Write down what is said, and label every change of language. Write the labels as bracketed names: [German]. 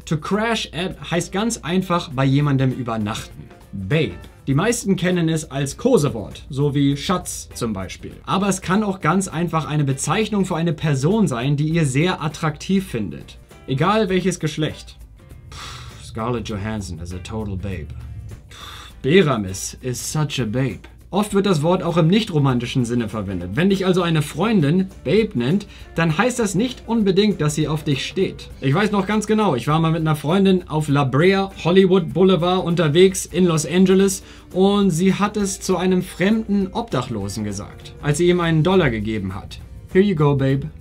[English] To crash at [German] heißt ganz einfach bei jemandem übernachten. Babe. Die meisten kennen es als Kosewort, so wie Schatz zum Beispiel. Aber es kann auch ganz einfach eine Bezeichnung für eine Person sein, die ihr sehr attraktiv findet. Egal welches Geschlecht. [English] Puh, Scarlett Johansson is a total babe. Puh, Beramis is such a babe. [German] Oft wird das Wort auch im nicht-romantischen Sinne verwendet. Wenn dich also eine Freundin Babe nennt, dann heißt das nicht unbedingt, dass sie auf dich steht. Ich weiß noch ganz genau, ich war mal mit einer Freundin auf La Brea Hollywood Boulevard unterwegs in Los Angeles und sie hat es zu einem fremden Obdachlosen gesagt, als sie ihm einen Dollar gegeben hat. [English] Here you go, Babe.